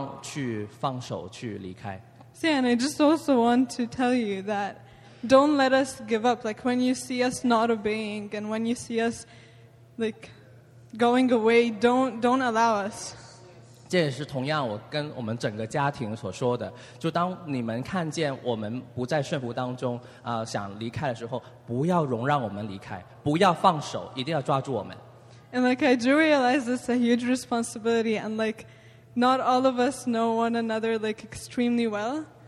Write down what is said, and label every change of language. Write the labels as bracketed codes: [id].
[zh] 我们不会容让对方去放手去离开。 [en] See, and I just also want to tell you that don't let us give up. Like when you see us not obeying and when you see us like going away, don't allow us. [zh] 这也是同样我跟我们整个家庭所说的，就当你们看见我们不在顺服当中，想离开的时候，不要容让我们离开，不要放手，一定要抓住我们。 [en] And like I do realize it's a huge responsibility and like not all of us know one another like extremely well.